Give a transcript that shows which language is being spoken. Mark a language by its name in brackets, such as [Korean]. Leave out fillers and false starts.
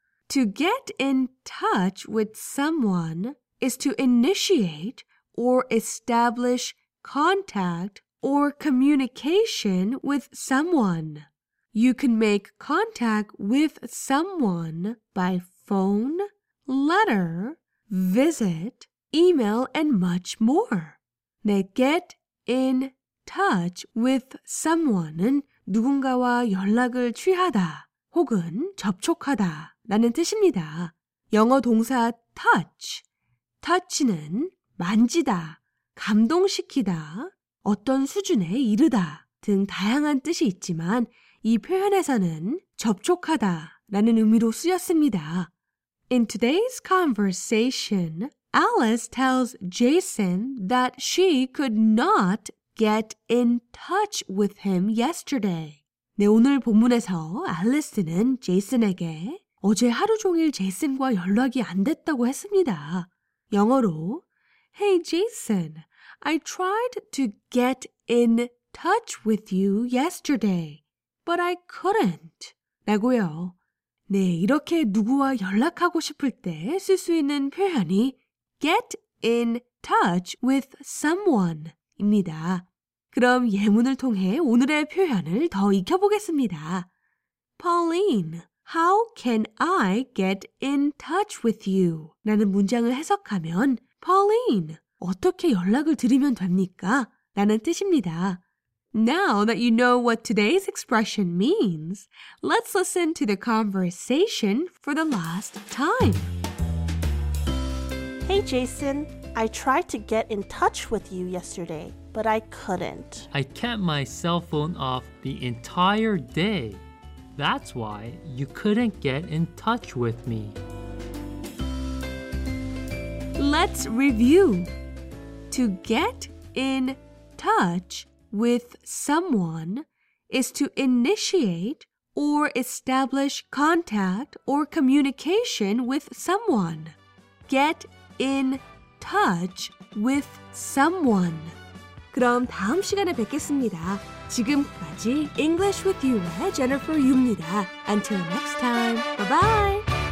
[English] To get in touch with someone is to initiate or establish contact or communication with someone. You can make contact with someone by phone, letter, visit, email, and much more. [Korean] 네, [English] get in touch with someone [Korean] 은 누군가와 연락을 취하다 혹은 접촉하다 라는 뜻입니다. 영어 동사 touch. Touch는 만지다, 감동시키다, 어떤 수준에 이르다 등 다양한 뜻이 있지만 이 표현에서는 접촉하다 라는 의미로 쓰였습니다. [English] In today's conversation, Alice tells Jason that she could not get in touch with him yesterday. [Korean] 네, 오늘 본문에서 알리스는 제이슨에게 어제 하루 종일 제이슨과 연락이 안 됐다고 했습니다. 영어로 [English] Hey Jason, I tried to get in touch with you yesterday, but I couldn't. [Korean] 라고요. 네, 이렇게 누구와 연락하고 싶을 때 쓸 수 있는 표현이 [English] get in touch with someone [Korean] 입니다. 그럼 예문을 통해 오늘의 표현을 더 익혀보겠습니다. [English] Pauline, how can I get in touch with you? [Korean] 라는 문장을 해석하면 Pauline, 어떻게 연락을 드리면 됩니까? 라는 뜻입니다. [English] Now that you know what today's expression means, let's listen to the conversation for the last time. Hey Jason, I tried to get in touch with you yesterday, but I couldn't. I kept my cell phone off the entire day. That's why you couldn't get in touch with me. Let's review. To get in touch with someone is to initiate or establish contact or communication with someone. Get in touch with someone. [Korean] 그럼 다음 시간에 뵙겠습니다. 지금까지 English with You의 Jennifer Yu입니다. [English] Until next time, bye-bye!